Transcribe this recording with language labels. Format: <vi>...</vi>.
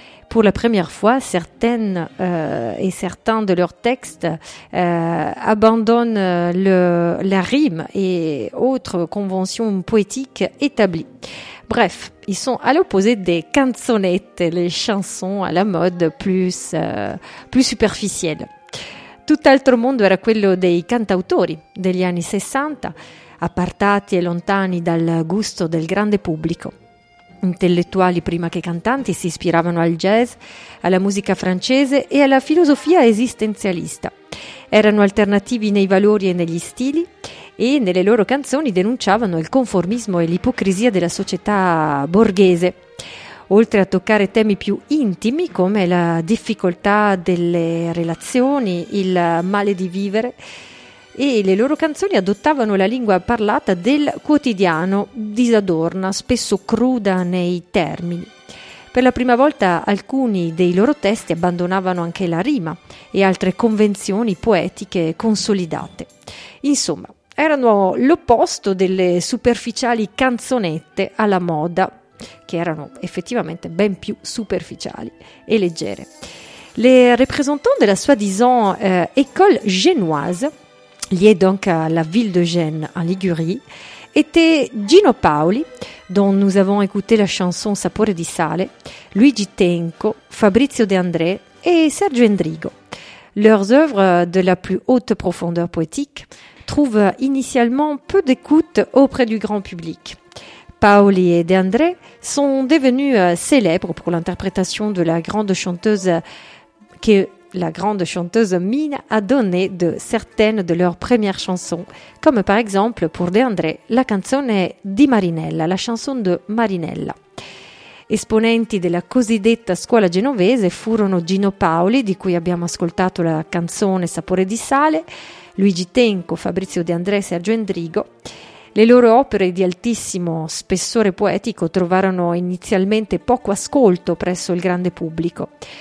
<fr>Pour la première fois, certaines et certains de leurs textes abandonnent la rime et autres conventions poétiques établies. Bref, ils sont à l'opposé des canzonettes, les chansons à la mode plus superficielles.</fr> <it>Tout altro mondo era quello dei cantautori degli anni 60, appartati e lontani dal gusto del grande pubblico. Intellettuali prima che cantanti si ispiravano al jazz, alla musica francese e alla filosofia esistenzialista. Erano alternativi nei valori e negli stili e nelle loro canzoni denunciavano il conformismo e l'ipocrisia della società borghese. Oltre a toccare temi più intimi come la difficoltà delle relazioni, il male di vivere, e le loro canzoni adottavano la lingua parlata del quotidiano, disadorna, spesso cruda nei termini. Per la prima volta alcuni dei loro testi abbandonavano anche la rima e altre convenzioni poetiche consolidate. Insomma, erano l'opposto delle superficiali canzonette alla moda, che erano effettivamente ben più superficiali e leggere.</it> <fr>Les représentants de la soi-disant école génoise, liée donc à la ville de Gênes en Ligurie, étaient Gino Paoli, dont nous avons écouté la chanson Sapore di sale, Luigi Tenco, Fabrizio De André et Sergio Endrigo. Leurs œuvres de la plus haute profondeur poétique trouvent initialement peu d'écoute auprès du grand public. Paoli et De André sont devenus célèbres pour l'interprétation de la grande chanteuse que la grande chanteuse Mina a donnée de certaines de leurs premières chansons, comme par exemple pour De André, la canzone di Marinella, la chanson de Marinella.</fr> <it>Esponenti della cosiddetta scuola genovese furono Gino Paoli, di cui abbiamo ascoltato la canzone Sapore di sale, Luigi Tenco, Fabrizio De André, Sergio Endrigo. Le loro opere di altissimo spessore poetico trovarono inizialmente poco ascolto presso il grande pubblico.</it>